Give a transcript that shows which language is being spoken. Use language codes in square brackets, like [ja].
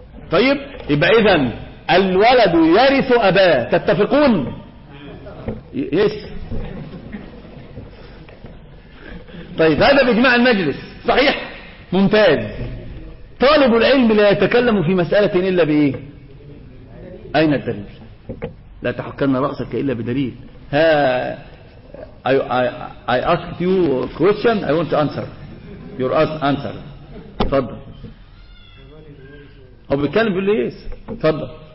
[ar] طيب يبقى اذا الولد يرث اباه، تتفقون؟ يس. طيب هذا باجماع المجلس صحيح ممتاز. طالب العلم لا يتكلم في مساله الا بايه؟ اين الدليل؟ لا تحكن رأسك إلا بدليل. [en] ها I asked you a question, I want to answer your answer. [ar] تفضل. هو بيتكلم بيقول لي إيه؟ تفضل.